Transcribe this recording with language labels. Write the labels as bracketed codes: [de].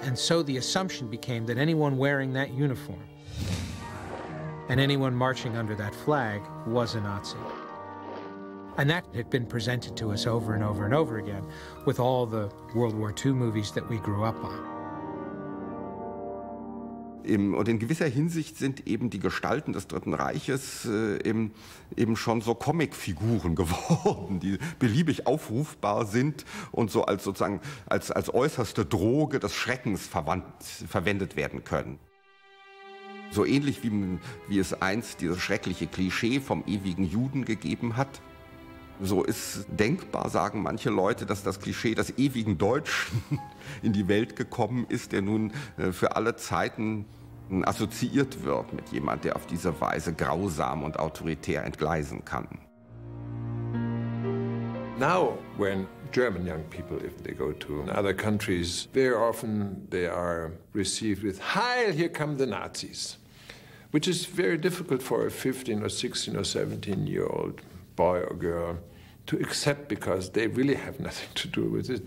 [en] And so the assumption became that anyone wearing that uniform and anyone marching under that flag was a Nazi. And that had been presented to us over and over and over again with all the World War II movies that we grew up on. [de] Und in gewisser Hinsicht sind eben die Gestalten des Dritten Reiches eben schon so Comicfiguren geworden, die beliebig aufrufbar sind und so als sozusagen als äußerste Droge des Schreckens verwendet werden können. So ähnlich wie es einst dieses schreckliche Klischee vom ewigen Juden gegeben hat. So ist denkbar, sagen manche Leute, dass das Klischee des ewigen Deutschen in die Welt gekommen ist, der nun für alle Zeiten assoziiert wird mit jemand, der auf diese Weise grausam und autoritär entgleisen kann. [en] Now, when German young people, if they go to other countries, very often they are received with, "Heil, here come the Nazis," which is very difficult for a 15 or 16 or 17 year old boy or girl to accept, because they really have nothing to do with it.